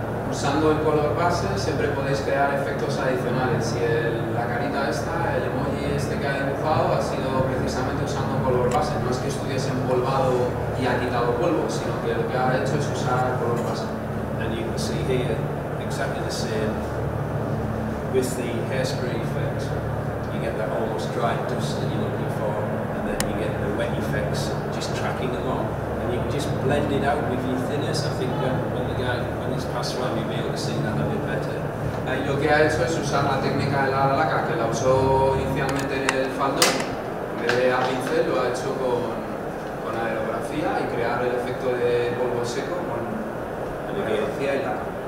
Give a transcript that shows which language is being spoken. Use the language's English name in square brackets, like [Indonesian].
[Spanish] Usando el color base siempre podéis crear efectos adicionales. Si la carita esta, el emoji este que ha dibujado, ha sido precisamente usando color base. No es que estuviese empolvado y ha quitado polvo, sino que lo que ha hecho es usar color base. [English] And you can see here exactly the same with the hairspray effect. You get that almost dry dust that you're looking for, and then you get the wet effects just tracking along. And you can just blend it out with your thinners. I think when it's passed around, you'll be able to see that a bit better. [Spanish] Lo que ha hecho es usar la técnica de la laca, que la usó inicialmente en el faldo. En vez de a pincel, lo ha hecho con aerografía y crear el efecto de polvo seco con aerografía y laca.